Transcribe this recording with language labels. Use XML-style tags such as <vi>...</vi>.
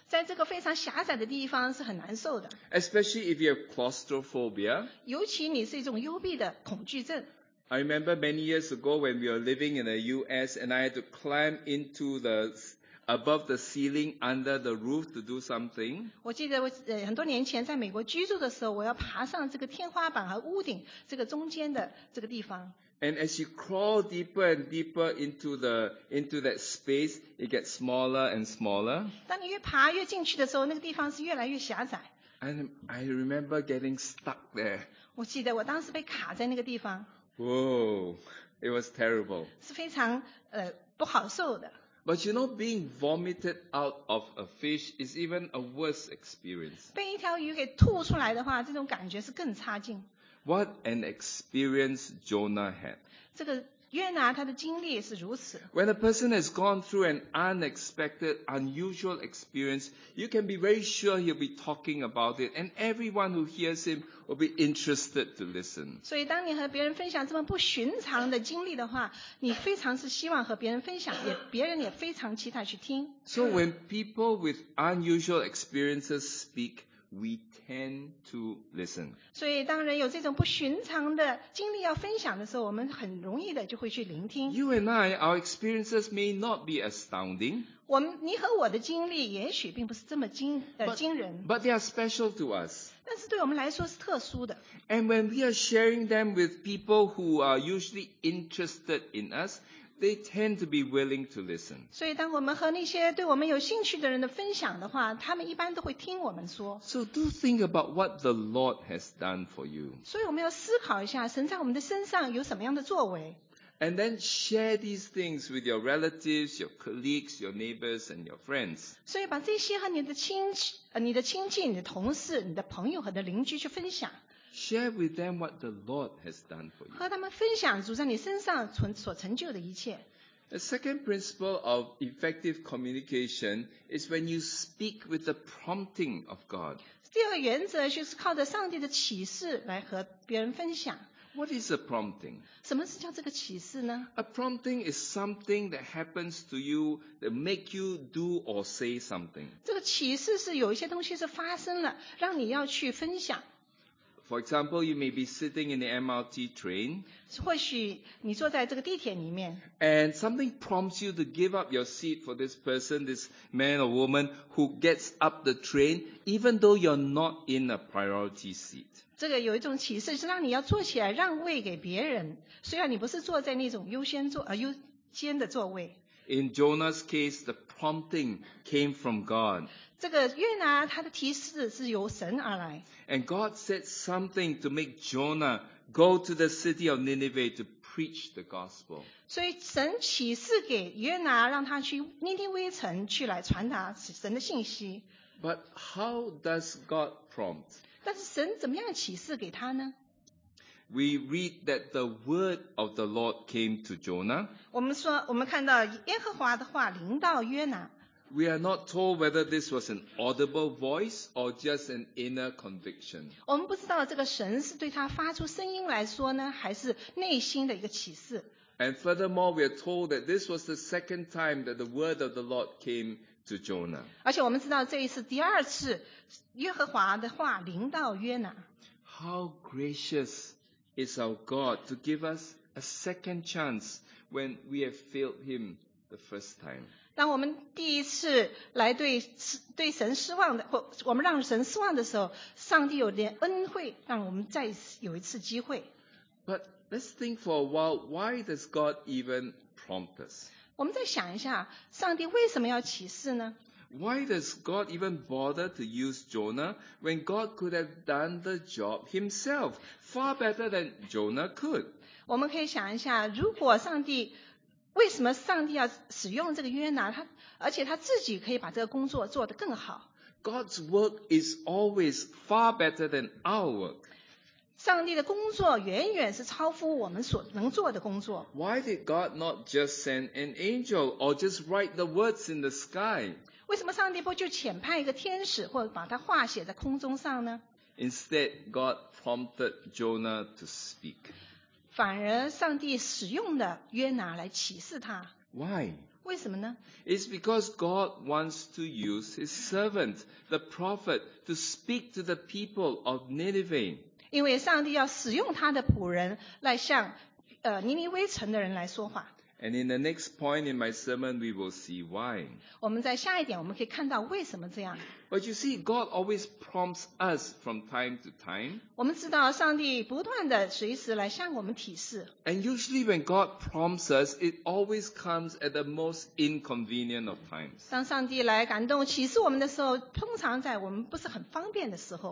<zh>在这个非常狭窄的地方是很难受的。</zh> <en>Especially if you have claustrophobia.</en> <zh>尤其你是一种幽闭的恐惧症。</zh> <en>I remember many years ago when we were living in the US and I had to climb into above the ceiling, under the roof to do something.</en> <zh>我记得我很多年前在美国居住的时候，我要爬上这个天花板和屋顶这个中间的这个地方。</zh> <en>And as you crawl deeper and deeper into that space, it gets smaller and smaller.</en> <zh>当你越爬越进去的时候，那个地方是越来越狭窄。</zh> <en>And I remember getting stuck there.</en> <zh>我记得我当时被卡在那个地方。</zh> <en>Whoa, it was terrible.</en> <zh>是非常不好受的。</zh> <en>But you know, being vomited out of a fish is even a worse experience.</en> <zh>被一条鱼给吐出来的话，这种感觉是更差劲。</zh> <en>What an experience Jonah had.</en> <zh>这个约拿他的经历是如此。</zh> <en>When a person has gone through an unexpected, unusual experience, you can be very sure he'll be talking about it, and everyone who hears him will be interested to listen.</en> <zh>所以当你和别人分享这么不寻常的经历的话，你非常是希望和别人分享，也别人也非常期待去听。</zh> <en>So when people with unusual experiences speak,We tend to listen.</en> <zh>所以当人有这种不寻常的经历要分享的时候，我们很容易的就会去聆听。</zh> <en>You and I, our experiences may not be astounding.</en> <zh>我们，你和我的经历也许并不是这么惊人。</zh> <en>But they are special to us.</en> <zh>但是对我们来说是特殊的。</zh> <en>And when we are sharing them with people who are usually interested in us,They tend to be willing to listen.</en> <zh>所以当我们和那些对我们有兴趣的人的分享的话，他们一般都会听我们说。</zh> <en>So do think about what the Lord has done for you.</en> <zh>所以我们要思考一下，神在我们的身上有什么样的作为。</zh> <en>And then share these things with your relatives, your colleagues, your neighbors, and your friends.</en> <zh>所以把这些和你的亲戚、你的同事、你的朋友和你的邻居去分享。</zh> <en>Share with them what the Lord has done for you.</en> <zh>和他们分享主在你身上所成就的一切。</zh> <en>The second principle of effective communication is when you speak with the prompting of God.</en> <zh>第二个原则就是靠着上帝的启示来和别人分享。</zh> <en>What is a prompting?</en> <zh>什么是叫这个启示呢？</zh> <en>A prompting is something that happens to you that make you do or say something.</en> <zh>这个启示是有一些东西是发生了，让你要去分享。</zh> <en>For example, you may be sitting in the MRT train.</en> <zh>或许你坐在这个地铁里面。</zh> <en>And something prompts you to give up your seat for this person, this man or woman who gets up the train, even though you're not in a priority seat.</en> <zh>这个有一种启示是让你要坐起来让位给别人，虽然你不是坐在那种优先的座位。</zh> <en>In Jonah's case, the prompting came from God.</en> <zh>这个约拿他的提示是由神而来。</zh> <en>And God said something to make Jonah go to the city of Nineveh to preach the gospel.</en> <zh>所以神启示给约拿，让他去尼尼微城去来传达神的信息。</zh> <en>But how does God prompt?</en> <zh>但是神怎么样启示给他呢？</zh> <en>We read that the word of the Lord came to Jonah.</en> <zh>我们看到耶和华的话临到约拿。</zh> <en>We are not told whether this was an audible voice or just an inner conviction.</en> <zh>我们不知道这个神是对他发出声音来说呢，还是内心的一个启示。</zh> <en>And furthermore, we are told that this was the second time that the word of the Lord came to Jonah.</en> <zh>而且我们知道这是第二次耶和华的话临到约拿。</zh> <en>How gracious is our God to give us a second chance when we have failed him the first time?</en> <zh>当我们第一次来 对神失望的，或我们让神失望的时候，上帝有点恩惠，让我们再有一次机会。</zh> <en>But let's think for a while. Why does God even prompt us?</en> <zh>我们再想一下，上帝为什么要启示呢？</zh> <en>Why does God even bother to use Jonah when God could have done the job himself far better than Jonah could?</en> <zh>我们可以想一下，如果上帝为什么上帝要使用这个约拿？他而且他自己可以把这个工作做得更好。</zh> <en>God's work is always far better than our work.</en> <zh>上帝的工作远远是超乎我们所能做的工作。</zh> <en>Why did God not just send an angel or just write the words in the sky?</en> <zh>为什么上帝不就遣派一个天使，或者把他话写在空中上呢？</zh> <en>Instead, God prompted Jonah to speak.</en> <zh>反而上帝使用的约拿来启示他。</zh> <en>Why?</en> <zh>为什么呢？</zh> <en>It's because God wants to use his servant, the prophet, to speak to the people of Nineveh.</en> <zh>因为上帝要使用他的仆人来向尼尼微城的人来说话。</zh> <en>And in the next point in my sermon, we will see why.</en> <zh>我们在下一点我们可以看到为什么这样。</zh> <en>But you see, God always prompts us from time to time.</en> <zh>我们知道上帝不断地随时来向我们提示。</zh> <en>And usually when God prompts us, it always comes at the most inconvenient of times.</en> <zh>当上帝来感动启示我们的时候，通常在我们不是很方便的时候。</zh>